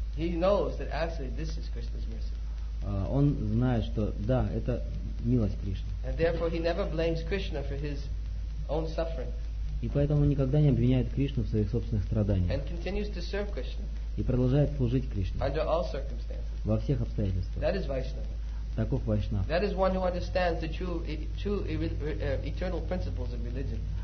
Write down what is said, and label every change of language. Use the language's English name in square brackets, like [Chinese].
[English] He knows that actually this is Krishna's mercy. [Russian] Он знает, что да, это милость Кришны. [English] And therefore he never blames Krishna for his own suffering. [Russian] И поэтому он никогда не обвиняет Кришну в своих собственных страданиях. [English] And continues to serve Krishna. [Russian] И продолжает служить Кришне. [English] Under all circumstances. [Russian] Во всех обстоятельствах. [English] That is Vaishnava. [Russian] Таков Вайшнав. [English] That is one who understands the true eternal principles of religion.